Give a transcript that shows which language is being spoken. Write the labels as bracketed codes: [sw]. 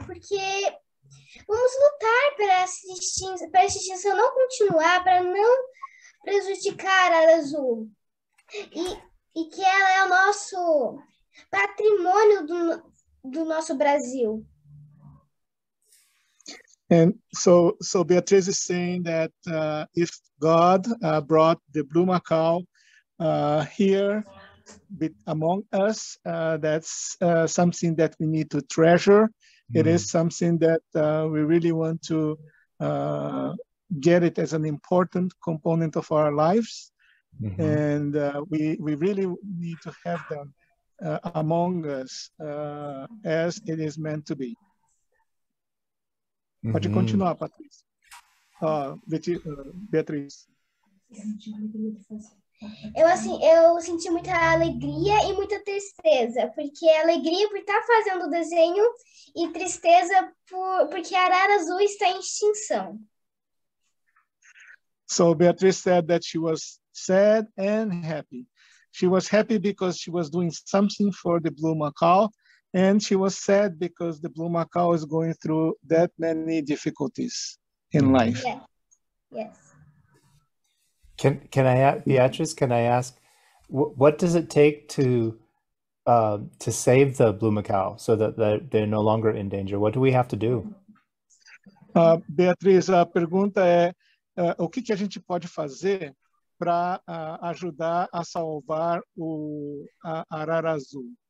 [pt] Porque vamos lutar para essa extinção não continuar, para não prejudicar a Arara Azul. E que ela é o nosso patrimônio do nosso Brasil. [en] And so Beatriz is saying that if God brought the blue macaw here among us, that's something that we need to treasure. Mm. It is something that we really want to get it as an important component of our lives. Mm-hmm. And we really need to have them among us as it is meant to be. [pt] Mm-hmm. Pode continuar, Beatriz. Eu senti muita alegria e muita tristeza, porque alegria por estar fazendo o desenho e tristeza porque a Arara Azul está em extinção. [en] So Beatriz said that she was sad and happy. She was happy because she was doing something for the blue macaw. And she was sad because the blue macaw is going through that many difficulties in life. Yeah. Yes. Beatrice, can I ask, what does it take to save the blue macaw so that they're no longer in danger? What do we have to do? [pt] Beatriz, a pergunta é, o que a gente pode fazer para ajudar a salvar a Arara Azul?